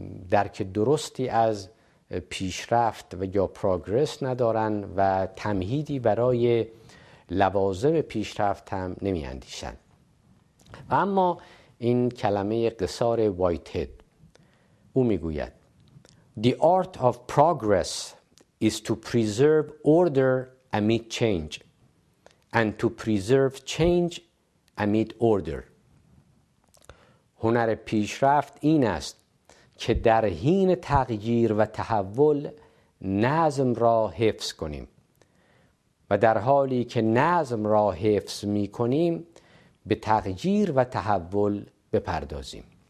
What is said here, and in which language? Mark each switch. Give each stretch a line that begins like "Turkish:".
Persian: درک درستی از پیشرفت و یا پروگرس ندارن و تمهیدی برای لوازم پیشرفت هم نمی اندیشن. و اما این کلمه قصار وایت هد، او میگوید
English: The art of progress is to preserve order amid change and to preserve change amid order.
Persian: هنر پیشرفت این است که در حین تغییر و تحول نظم را حفظ کنیم و در حالی که نظم را حفظ می کنیم به تغییر و تحول بپردازیم.